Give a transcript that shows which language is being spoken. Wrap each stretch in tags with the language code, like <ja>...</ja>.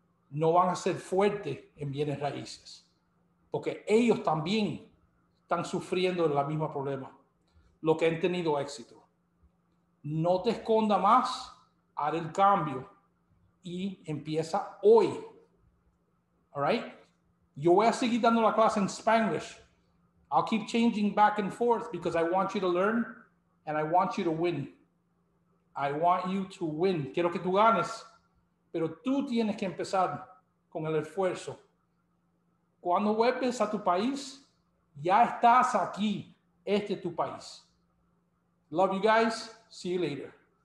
<es>No van a ser fuertes en bienes raíces, porque ellos también están sufriendo el mismo problema, lo que han tenido éxito. No te esconda más, haz el cambio y empieza hoy.</es> <en>All right?</en> <es>Yo voy a seguir dando la clase en Spanish.</es> <en>I'll keep changing back and forth because I want you to learn and I want you to win. I want you to win.</en> <es>Quiero que tú ganes, pero tú tienes que empezar con el esfuerzo. Cuando vuelves a tu país, ya estás aquí. Este es tu país.</es> <en>Love you guys. See you later.</en>